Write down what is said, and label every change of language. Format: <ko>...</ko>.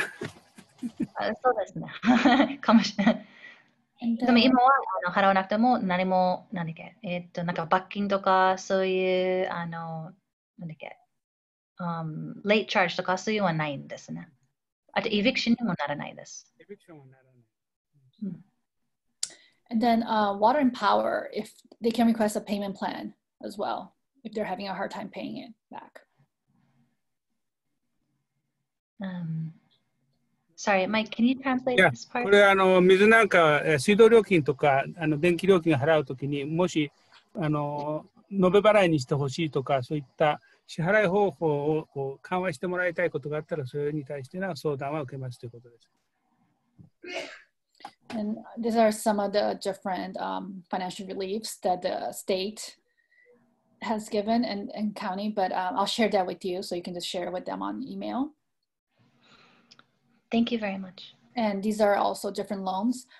<ja>そうですね。かもしれない。でも今はあの払わなくても何も何だっけなんか罰金とかそういうあの何だっけ、late charge とかそういうのはないんですね。あと eviction にもならないです。 eviction もならない。</ja> <en>And then water and power, if they can request a payment plan as well, if they're having a hard time paying it back. Sorry, Mike, can you translate this part?</en> <ja>これあの水なんか水道料金とかあの電気料金を払うときにもしあの延べ払いにしてほしいとかそういった支払い方法をこう緩和してもらいたいことがあったらそれに対しての相談は受けますということです。</ja> <en>And these are some of the different financial reliefs that the state has given and county, but I'll share that with you so you can just share with them on email. Thank you very much. And these are also different loans.</en>